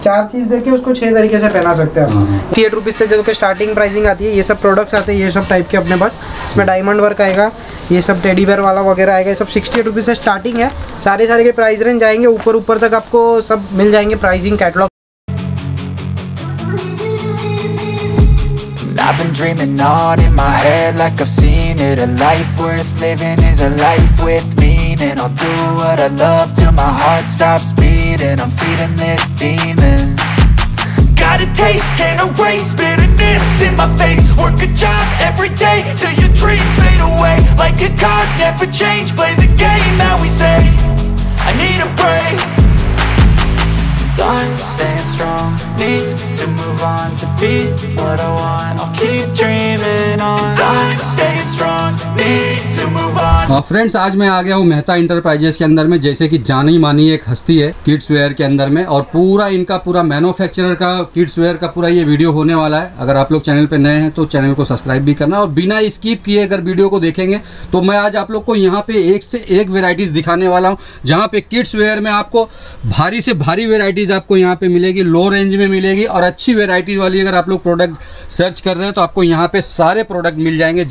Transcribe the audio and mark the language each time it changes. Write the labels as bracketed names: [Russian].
[Hindi] चार चीज देके उसको 6 तरीके से पहना सकते हैं आप। 38 रुपीज से जो कि स्टार्टिंग प्राइसिंग आती है, ये सब प्रोडक्ट्स आते हैं, ये सब टाइप के अपने पास। इसमें डायमंड वर्क आएगा, ये सब टेडी बेयर वाला वगैरह आएगा, ये सब 68 रुपीज से स्टार्टिंग है। सारे के प्राइस रेंज जाएंगे ऊपर तक, आपको सब मिल जाएंगे pricing catalogue. [English] I've been dreaming on in my head like I've seen it. A life worth living is a life with meaning. I'll do what I love till my heart stops beating. I'm feeding this demon. Got a taste, can't erase bitterness in my face. Work a job every day till your dreams fade away. Like a card, never change, play the game that we say. I need a break. I'm staying strong, need to move on to be what I want. I'll keep dreaming on. I'm staying strong, need to move on. [Hindi] और friends, आज मैं आ गया हूँ Mehta enterprises के अंदर में, जैसे कि जानी मानी एक हस्ती है किड्स वेयर के अंदर में, और पूरा इनका पूरा मैन्युफैक्चरर का किड्स वेयर का पूरा ये वीडियो होने वाला है। अगर आप लोग चैनल पे नए हैं तो चैनल को सब्सक्राइब भी करना, और बिना स्किप किए अगर वीडियो को देखेंगे तो मैं आज आप लोग को यहाँ पे एक से एक वेराइटीज दिखाने वाला हूँ, जहाँ पे किड्स वेयर में आपको भारी से भारी वेराइटीज आपको यहाँ पे मिलेगी, लो रेंज में मिलेगी, और अच्छी वेराइटीज वाली अगर आप लोग प्रोडक्ट सर्च कर रहे हैं तो आपको यहाँ पे सारे प्रोडक्ट मिल जाएंगे।